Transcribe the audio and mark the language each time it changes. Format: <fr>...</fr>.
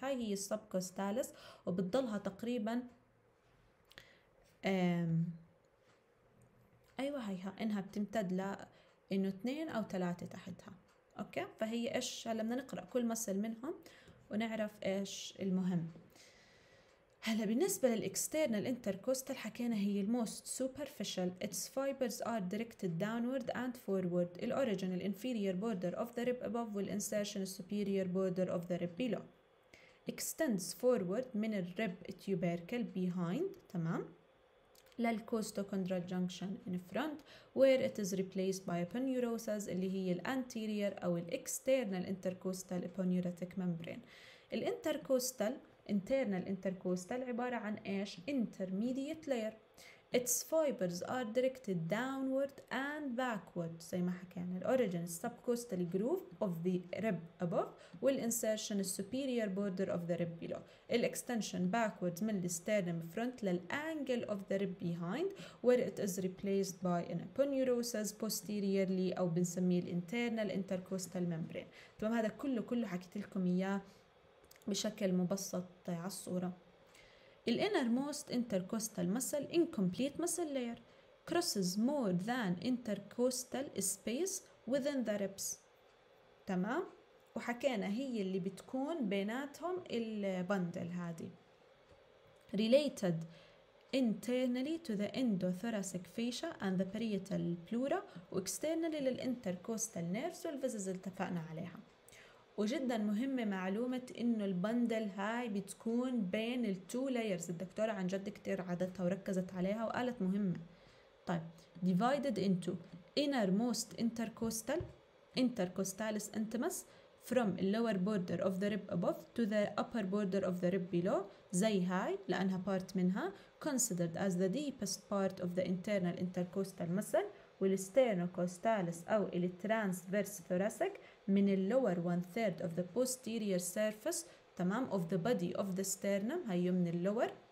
<ar>هاي هي السب كوستاليس وبتضلها تقريبا أيوة هيها إنها بتمتد لإنه 2 أو 3 تحتها. أوكي، فهي إيش؟ هلأ بدنا نقرأ كل مسل منهم ونعرف إيش المهم.</ar> <en>هلأ بالنسبة للإكسترنال إنتركوستال</en> <ar>حكينا هي</ar> <en>الموست superficial, its fibers are directed downward and forward، الأوريجن الإنفيريور border of the rib above والإنسيرشن السوبيريور border of the rib below، extends forward من الرب tubercle behind. تمام، للكوستوكوندرال junction in front where it is replaced by aponeurosis</en> <ar>اللي هي</ar> <en>الانتيرير او الاكسترنال انتركوستال ابونيوراتيك ممبرين. الانتركوستال internal intercostal عبارة عن إيش؟ intermediate layer. Its fibers are directed downward and backward</en> <ar>زي ما حكينا.</ar> <en>The origin subcostal groove of the rib above والinsertion superior border of the rib below. The extension backwards من the sternum front للangle of the rib behind where it is replaced by an aponeurosis posteriorly</en> <ar>أو بنسميه</ar> <en>the internal intercostal membrane.</en> <ar>تمام، هذا كله حكيت لكم إياه بشكل مبسط على الصورة.</ar> <en>The innermost intercostal muscle, incomplete muscle layer, crosses more than intercostal space within the ribs.</en> <ar>تمام؟ وحكينا هي اللي بتكون بيناتهم البندل هذه.</ar> <en>Related internally to the endothoracic fascia and the parietal pleura, externally to the intercostal nerves والفيزز</en> <ar>اللي اتفقنا عليها. وجدا مهمة معلومة إنه البندل هاي بتكون بين</ar> <en>التو لايرز.</en> <ar>الدكتورة عن جد كتير عادتها وركزت عليها وقالت مهمة.</ar> <en>طيب divided into innermost intercostal intercostalis intimus from lower border of the rib above to the upper border of the rib below</en> <ar>زي هاي لأنها</ar> <en>part منها considered as the deepest part of the internal intercostal muscle والsternocostalis أو الترانسفيرس ثوراسيك من ال lower one third of the posterior surface تمام of the body of the sternum هي من ال lower</en>